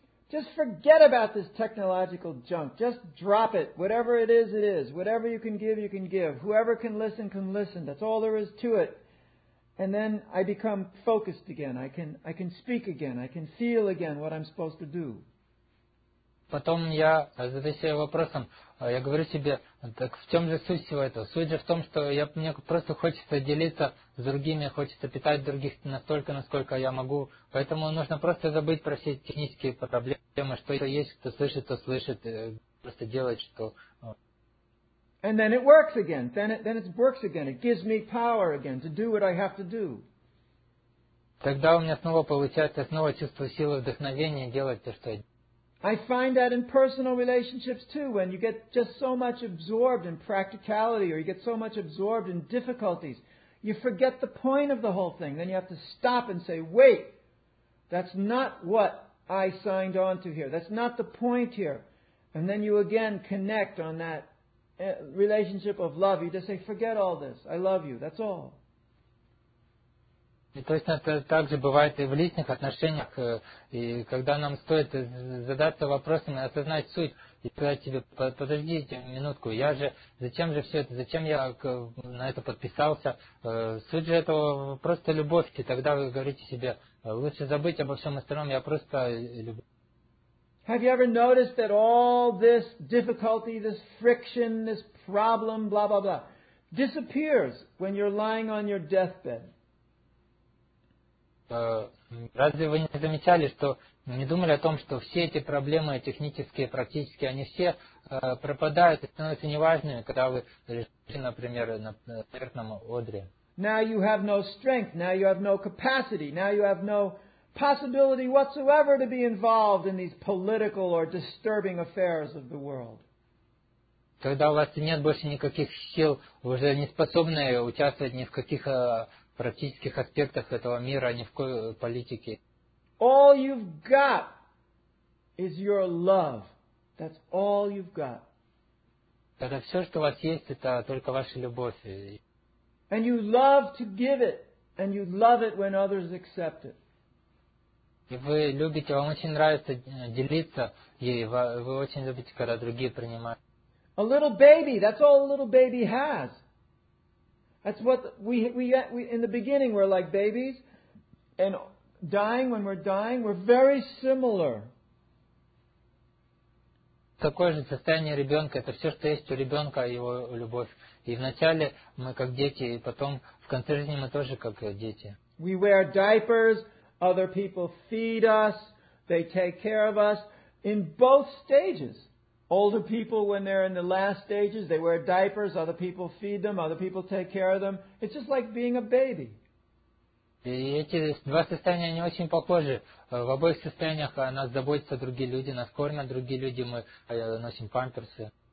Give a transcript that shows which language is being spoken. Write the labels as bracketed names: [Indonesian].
[English] Just forget about this technological junk. Just drop it. Whatever it is, it is. Whatever you can give, you can give. Whoever can listen, can listen. That's all there is to it. And then I become focused again. I can speak again. I can feel again what I'm supposed to do. [Russian] Потом я задаю себе вопросом, я говорю себе, так в чем же суть всего этого? Суть же в том, что мне просто хочется делиться с другими, хочется питать других настолько, насколько я могу. Поэтому нужно просто забыть про все технические проблемы, что есть, кто слышит, то слышит, просто делать, что... [English] And then it works again. Then it works again. It gives me power again to do what I have to do. [Russian] Тогда у меня снова получается, снова чувство силы, вдохновения делать то, что я делаю. [English] I find that in personal relationships too, when you get just so much absorbed in practicality or you get so much absorbed in difficulties, you forget the point of the whole thing. Then you have to stop and say, wait, that's not what I signed on to here. That's not the point here. And then you again connect on that relationship of love. You just say, forget all this. I love you. That's all. [Russian] И точно так же бывает и в личных отношениях, и когда нам стоит задаться вопросом и осознать суть, и сказать себе, подождите минутку, я же, зачем же все это, зачем я на это подписался, суть же этого просто любовь, и тогда вы говорите себе, лучше забыть обо всем остальном, я просто люблю. [English] Have you ever noticed that all this difficulty, this friction, this problem, blah-blah-blah, disappears when you're lying on your deathbed? [Russian] Разве вы не замечали, что не думали о том, что все эти проблемы технические, практические, они все пропадают и становятся неважными, когда вы лежите, например, на смертном одре? [English] Now you have no strength, now you have no capacity, now you have no possibility whatsoever to be involved in these political or disturbing affairs of the world. [Russian] Когда у вас нет больше никаких сил, вы уже не способны участвовать ни в каких... практических аспектах этого мира, а не в политике. [English] All you've got is your love. That's all you've got. [Russian] Тогда все, что у вас есть, это только ваша любовь. [English] And you love to give it, and you love it when others accept it. [Russian] И вы любите, вам очень нравится делиться, и вы очень любите, когда другие принимают. [English] A little baby, that's all a little baby has. That's what we in the beginning we're like babies, and dying when we're dying we're very similar. [Russian] Такое же состояние ребенка, это все, что есть у ребенка, его любовь. И вначале мы как дети, и потом в конце жизни мы тоже как дети. [English] We wear diapers. Other people feed us. They take care of us in both stages. Older people, when they're in the last stages, they wear diapers, other people feed them, other people take care of them. It's just like being a baby. [Russian] И эти два состояния, они очень похожи. В обоих состояниях о нас заботятся другие люди, нас кормят другие люди, мы носим памперсы.